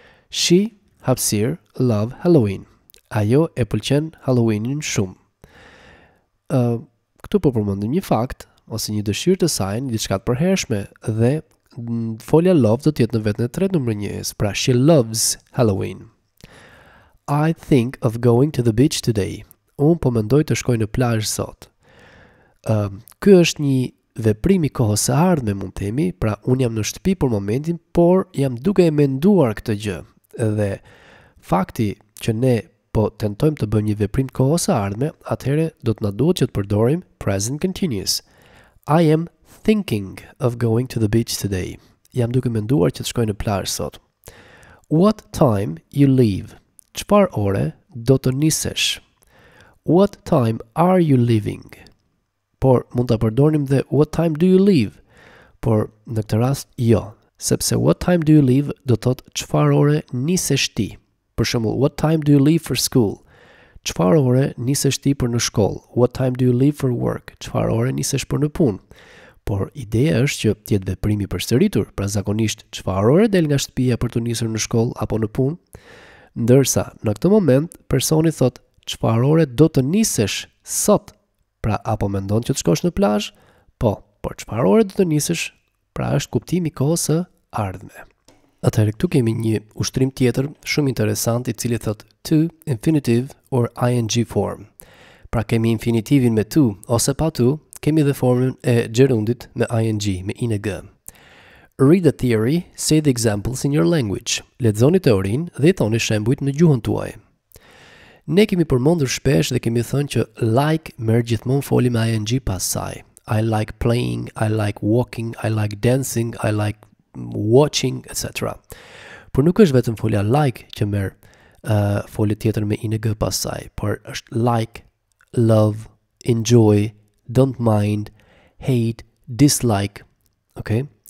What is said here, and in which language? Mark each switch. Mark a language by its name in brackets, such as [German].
[English] She, [Albanian] hapësir, [English] love Halloween. [Albanian] Ajo e pëlqen Halloweenin shumë. Këtu po përmendim një fakt ose një dëshirë të saj, diçka të përhershme, dhe folja love do të jetë në vetën e tretë numër njëz, pra [English] she loves Halloween. I think of going to the beach today. [Albanian] Unë po mendoj të shkoj në plazh sot. Ky është një veprim I kohës së ardhme, mund të themi, pra unë jam në shtëpi për momentin, por jam duke e menduar këtë gjë. Dhe fakti që ne po tentojmë të bëjmë një veprim kohës së ardhme, atëherë do të na duhet që të përdorim present continuous. [English] I am thinking of going to the beach today. [Albanian] Jam duke menduar që të shkoj në plazh sot. [English] What time you leave? [Albanian] Çfarë ore do të nisesh? [English] What time are you leaving? [Albanian] Por mund ta përdornim dhe [English] what time do you leave? [Albanian] Por në këtë rast jo, sepse [English] what time do you leave [Albanian] do thot çfarë ore nisesh ti. Për shembull, [English] what time do you leave for school? [Albanian] Çfarë ore nisesh ti për në shkollë? [English] What time do you leave for work? [Albanian] Çfarë ore nisesh për në punë? Por ideja është që të jetë veprimi I përsëritur, pra zakonisht çfarë ore del nga shtëpia për të nisur në shkollë apo në punë? Ndërsa në këtë moment personi thot çfarë ore do të nisesh sot? Pra apo mendon që të shkosh në plazh? Po, por çfarë ore do të nisesh? Pra është kuptimi I kohës së ardhme. Atëherë këtu kemi një ushtrim tjetër shumë interesant I cili thot to infinitive or ing form. Pra kemi infinitivin me to ose pa to, kemi dhe formën e gjerundit me ing, me ing. [English] Read the theory, say the examples in your language. [Albanian] Lexoni teorinë dhe I thoni shembujt në gjuhën tuaj. Ne kemi përmendur shpesh dhe kemi thënë që like merr gjithmonë folim me ing pas saj. [English] I like playing, I like walking, I like dancing, I like watching, etc. [Albanian] Por nuk është vetëm folja like që merr folje tjetër me ing pas saj, por është like, love, enjoy, don't mind, hate, dislike. Okay?